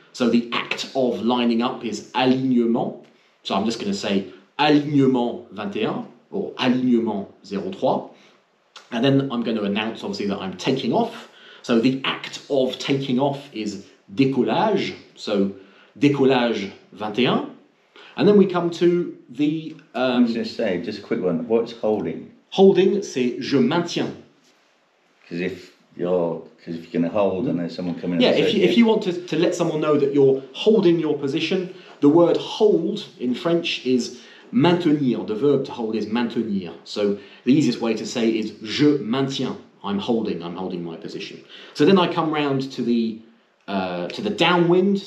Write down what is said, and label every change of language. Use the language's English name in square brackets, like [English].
[English] So the act of lining up is alignement. So I'm just going to say alignement 21 or alignement 03. And then I'm going to announce, obviously, that I'm taking off. So the act of taking off is décollage. So décollage 21. And then we come to the... I was going to say, just a quick one. What's holding? Holding, [French] c'est je maintiens. [English] Because if you're... Because if you're going to hold and there's someone coming... Yeah, if you want to let someone know that you're holding your position, the word hold in French is maintenir. The verb to hold is maintenir. So the easiest way to say is [French] je maintiens. [English] I'm holding my position. So then I come round to the downwind.